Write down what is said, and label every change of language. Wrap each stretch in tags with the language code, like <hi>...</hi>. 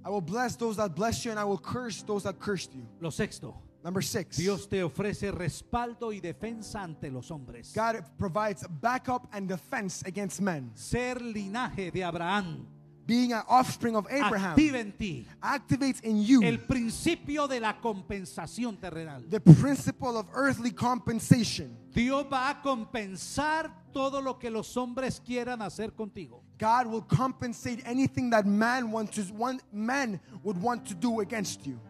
<en>I will bless those that bless you and I will curse those that cursed you.</en> <es>Lo sexto.</es> <en>Number six.</en> <es>Dios te ofrece respaldo y defensa ante los hombres.</es> <en>God provides backup and defense against men.</en> <es>Ser linaje de Abraham.</es> <en>Being an offspring of Abraham.</en> <es>Active in ti.</es> <en>Activates in you.</en> <es>El principio de la compensación terrenal.</es> <en>The principle of earthly compensation.</en> <es>Dios va a compensar todo lo que los hombres quieran hacer contigo.</es> <en>God will compensate anything that man wants, one man would want to do against you.</en>